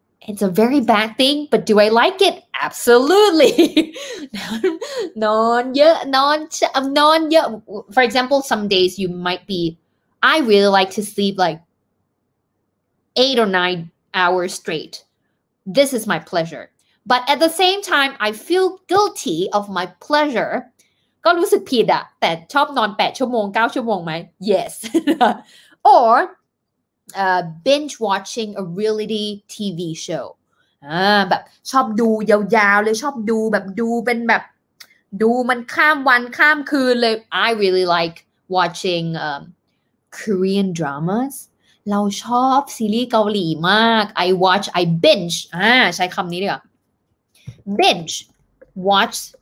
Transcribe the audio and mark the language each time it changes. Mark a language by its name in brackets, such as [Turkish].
[English] it's a very bad thing but do I like it absolutely [Thai] นอนเยอะ [English] for example some days you might be I really like to sleep like 8 or 9 hours straight. This is my pleasure. But at the same time, I feel guilty of my pleasure. [Thai] ก็รู้สึกผิดอะแต่ชอบนอน8ชั่วโมง9ชั่วโมงไหม [English] Yes. Or binge watching a reality TV show. [Thai] แบบชอบดูยาวๆเลยชอบดูแบบดูเป็นแบบดูมันข้ามวันข้ามคืนเลย [English] I really like watching Korean dramas [Thai] เราชอบซีรีส์เกาหลีมาก [English] I watch I binge [Thai] ใช้คำนี้ดีกว่า [English] binge watch